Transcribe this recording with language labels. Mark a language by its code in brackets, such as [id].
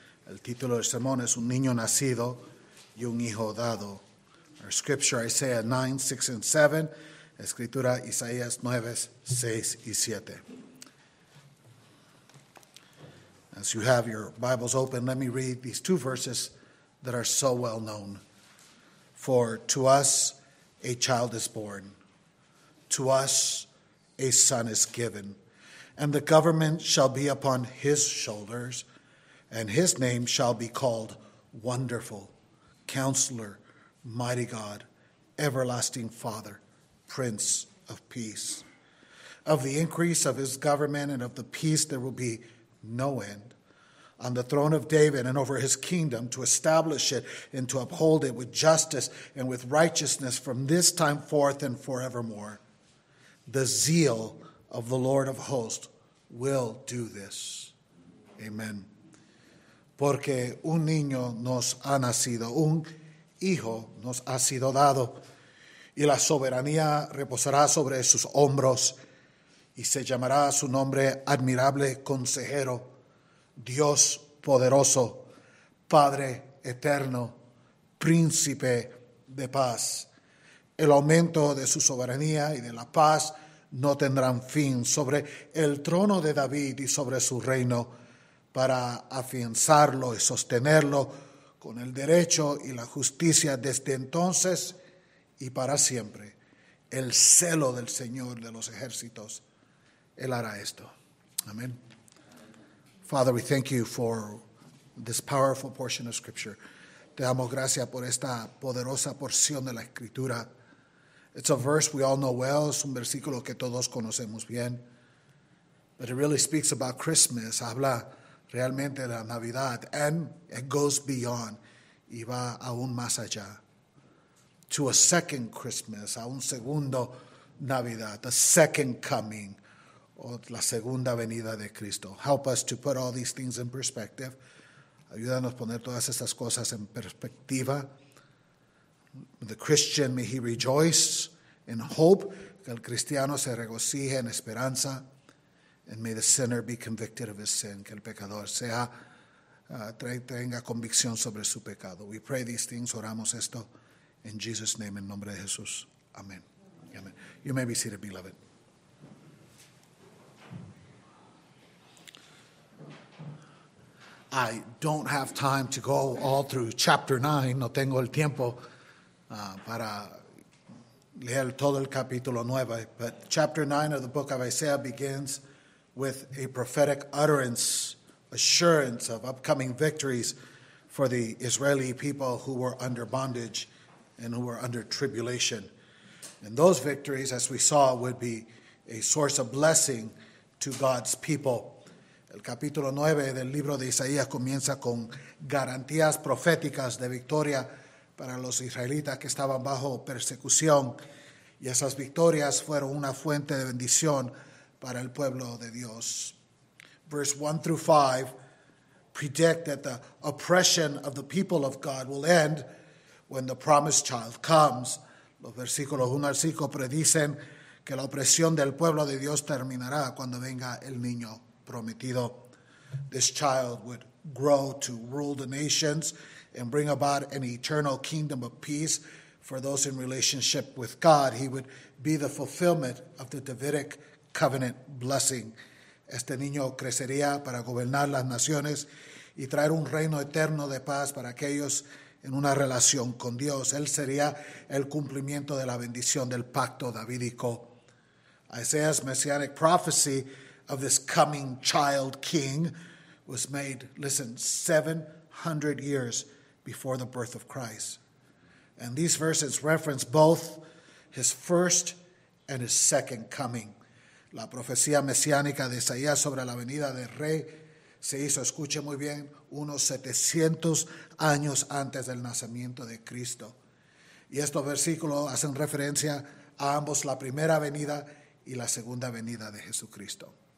[es] El título del sermón es Un Niño Nacido y Un Hijo Dado. [en] Our scripture, Isaiah 9, 6 and 7. [es] Escritura, Isaías 9, 6 y 7. [en] As you have your Bibles open, let me read these two verses that are so well known. For to us a child is born, to us a son is given, and the government shall be upon his shoulders, and his name shall be called Wonderful, Counselor, Mighty God, Everlasting Father, Prince of Peace. Of the increase of his government and of the peace there will be no end. On the throne of David and over his kingdom, to establish it and to uphold it with justice and with righteousness from this time forth and forevermore. The zeal of the Lord of hosts will do this. Amen. [es] Porque un niño nos ha nacido, un hijo nos ha sido dado, y la soberanía reposará sobre sus hombros, y se llamará su nombre Admirable Consejero, Dios Poderoso, Padre Eterno, Príncipe de Paz. El aumento de su soberanía y de la paz no tendrán fin sobre el trono de David y sobre su reino, para afianzarlo y sostenerlo con el derecho y la justicia desde entonces y para siempre. El celo del Señor de los ejércitos, Él hará esto. Amén. [en] Father, we thank you for this powerful portion of Scripture. [es] Te damos gracias por esta poderosa porción de la Escritura. [en] It's a verse we all know well. [es] Es un versículo que todos conocemos bien. [en] But it really speaks about Christmas. [es] Habla realmente de la Navidad. [en] And it goes beyond. [es] Y va aún más allá. [en] To a second Christmas. [es] A un segundo Navidad. [en] The second coming. [es] O la segunda venida de Cristo. [en] Help us to put all these things in perspective. [es] Ayúdanos a poner todas estas cosas en perspectiva. [en] The Christian, may he rejoice in hope. [es] Que el cristiano se regocije en esperanza. [en] And may the sinner be convicted of his sin. [es] Que el pecador sea, tenga convicción sobre su pecado. [en] We pray these things, [es] oramos esto. [en] In Jesus' name, [es] en nombre de Jesús. Amén. [en] Amen. You may be seated, beloved. I don't have time to go all through chapter 9. [es] No tengo el tiempo para leer todo el capítulo 9. [en] But chapter 9 of the book of Isaiah begins with a prophetic utterance, assurance of upcoming victories for the Israeli people who were under bondage and who were under tribulation. And those victories, as we saw, would be a source of blessing to God's people. [es] El capítulo 9 del libro de Isaías comienza con garantías proféticas de victoria para los israelitas que estaban bajo persecución. Y esas victorias fueron una fuente de bendición para el pueblo de Dios. [en] Verse 1 through 5 predict that the oppression of the people of God will end when the promised child comes. [es] Los versículos 1 al 5 predicen que la opresión del pueblo de Dios terminará cuando venga el niño prometido. [en] This child would grow to rule the nations and bring about an eternal kingdom of peace for those in relationship with God. He would be the fulfillment of the Davidic covenant blessing. [es] Este niño crecería para gobernar las naciones y traer un reino eterno de paz para aquellos en una relación con Dios. Él sería el cumplimiento de la bendición del pacto davídico. [en] Isaiah's messianic prophecy of this coming child king was made, listen, 700 years before the birth of Christ. And these verses reference both his first and his second coming. [es] La profecía mesiánica de Isaías sobre la venida del rey se hizo, escuche muy bien, unos 700 años antes del nacimiento de Cristo. Y estos versículos hacen referencia a ambos, la primera venida y la segunda venida de Jesucristo.